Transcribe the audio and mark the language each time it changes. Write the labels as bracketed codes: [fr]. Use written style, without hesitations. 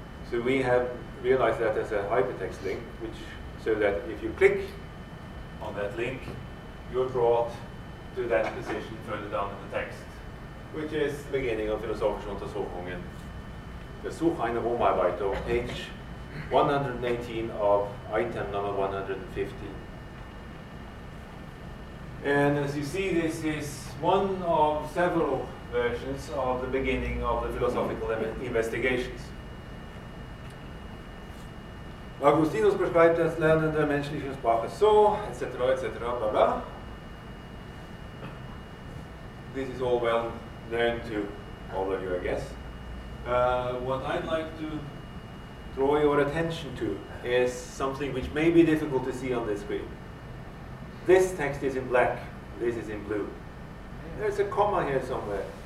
[en] So we have realized that as a hypertext link, which so that if you click on that link, you're brought to that position further down in the text, which is the beginning of Philosophische Untersuchungen, Versuch einer Umarbeitung, page 118 of item number 115. And as you see, this is one of several versions of the beginning of the philosophical investigations. [de] Augustinus beschreibt das Lernen der menschlichen Sprache so, etc., etc., [en] blah, blah. This is all well known to all of you, I guess. What I'd like to draw your attention to is something which may be difficult to see on this screen. This text is in black, this is in blue. There's a comma here somewhere.